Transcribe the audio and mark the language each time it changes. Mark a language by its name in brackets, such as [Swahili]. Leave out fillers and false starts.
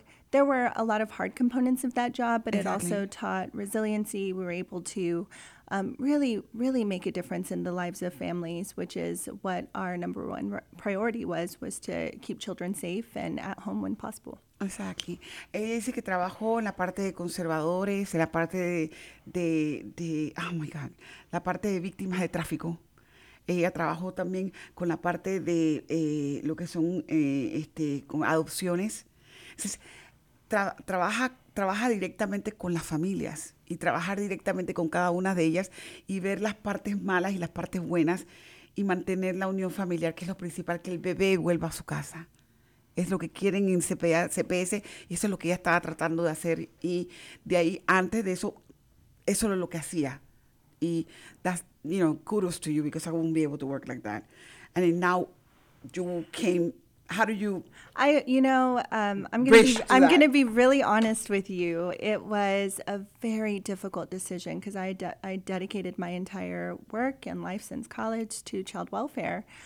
[English] There were a lot of hard components of that job, but exactly. It also taught resiliency. We were able to really, really make a difference in the lives of families, which is what our number one priority was to keep children safe and at home when possible. Exactly. [Spanish] Ella dice que trabajó en la parte de conservadores, en la parte la parte de víctimas de tráfico. Ella trabajó también con la parte de lo que son con adopciones. Entonces, trabaja directamente con las familias y trabajar directamente con cada una de ellas y ver las partes malas y las partes buenas y mantener la unión familiar, que es lo principal, que el bebé vuelva a su casa. Es lo que quieren en CPS y eso es lo que ella estaba tratando de hacer. Y de ahí, antes de eso, eso era lo que hacía. [English] Y that's, you know, kudos to you because I wouldn't be able to work like that. And then now you came, how do you... I'm going to be really honest with you. It was a very difficult decision because I dedicated my entire work and life since college to child welfare.